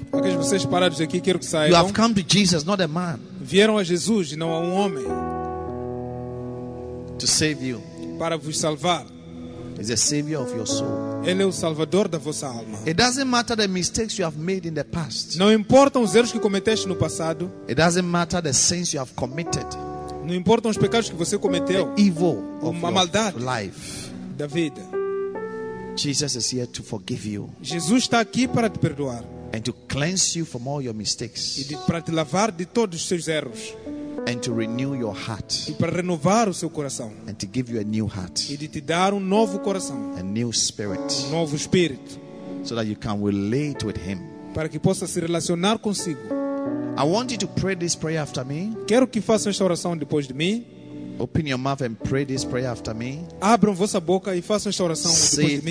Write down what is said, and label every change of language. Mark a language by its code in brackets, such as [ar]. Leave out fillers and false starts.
[pt] Vocês parados aqui, quero que saiam. [en] You have come to Jesus, not a man. [pt] Vieram a Jesus e não a homem. [en] To save you. [pt] Para vos salvar. [en] He's the savior of your soul. [pt] Ele é o salvador da vossa alma. [en] It doesn't matter the mistakes you have made in the past. [pt] Não importam os erros que cometeste no passado. [en] It doesn't matter the sins you have committed. [pt] Não importam os pecados que você cometeu. [en] The evil of your [pt] maldade [en] life. [pt] Da vida. [en] Jesus is here to forgive you. [pt] Jesus está aqui para te perdoar. [en] And to cleanse you from all your mistakes. [pt] E para te lavar de todos os seus erros. [en] And to renew your heart. [pt] E para renovar o seu coração. [en] And to give you a new heart. [pt] E de te dar novo coração. [en] A new spirit. [pt] Novo espírito. [en] So that you can relate with him. [pt] Para que possa se relacionar consigo. [en] I want you to pray this prayer after me. [pt] Quero que façam esta oração depois de mim. [en] Open your mouth and pray this prayer after me. [pt] Abram vossa boca e façam esta oração depois de mim.